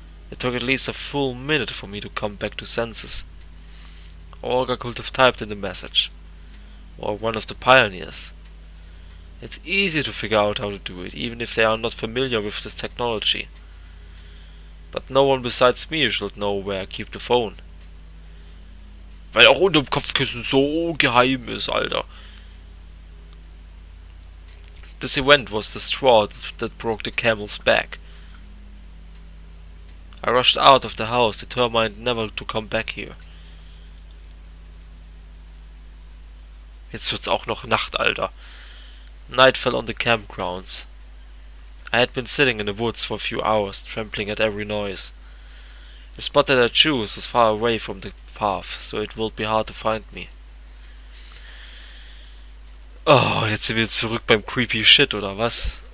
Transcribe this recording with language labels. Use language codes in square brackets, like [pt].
[en] It took at least a full minute for me to come back to senses. Olga could have typed in the message. Or one of the pioneers. It's easy to figure out how to do it, even if they are not familiar with this technology. But no one besides me should know where I keep the phone. [de] Weil auch unterm Kopfkissen so geheim ist, Alter. [en] This event was the straw that broke the camel's back. I rushed out of the house, determined never to come back here. [de] Jetzt wird's auch noch Nacht, Alter. [en] Night fell on the campgrounds. I had been sitting in the woods for a few hours, trembling at every noise. The spot that I chose was far away from the path, so it would be hard to find me. [de] Oh, jetzt sind wir zurück beim [en] creepy shit, [de] oder was?